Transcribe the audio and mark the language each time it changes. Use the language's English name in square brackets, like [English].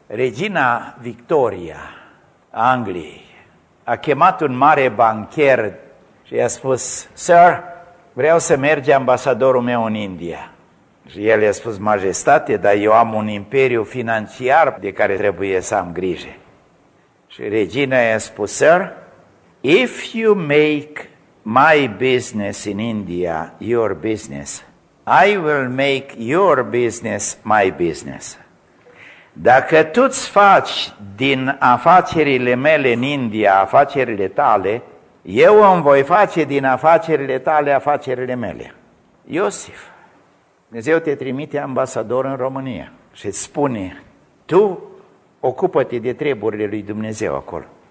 [Romanian] Regina Victoria Angliei a chemat un mare bancher și i-a spus, Sir, vreau să merge ambasadorul meu în India. Și el i-a spus, Majestate, dar eu am un imperiu financiar de care trebuie să am grijă. Și regina i-a spus, [English] Sir, if you make my business in India your business, I will make your business my business. [Romanian] Dacă tu îți faci din afacerile mele în India afacerile tale, eu îmi voi face din afacerile tale afacerile mele. Iosif, Dumnezeu te trimite ambasador în România și îți spune, tu ocupă-te de treburile lui Dumnezeu acolo.